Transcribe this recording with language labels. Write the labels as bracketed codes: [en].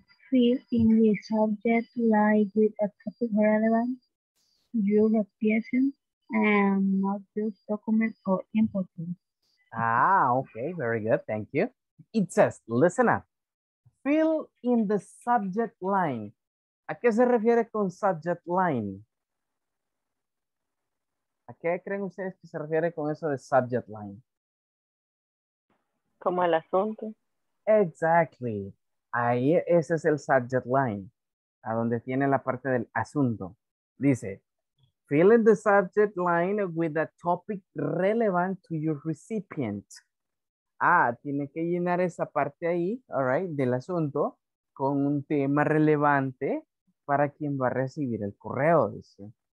[en] Fill in the subject line with a topic relevant to your application and not just document or importance. Ah, okay, very good, thank you. It says, listen up, fill in the subject line. [es] ¿A qué se refiere con subject line? ¿A qué creen ustedes que se refiere con eso de subject line? Como el asunto. [en] Exactly. [es] Ahí ese es el subject line, a donde tiene la parte del asunto. Dice, [en] fill in the subject line with a topic relevant to your recipient. [es] Ah, tiene que llenar esa parte ahí, [en] all right, [es] del asunto, con un tema relevante para quien va a recibir el correo, dice.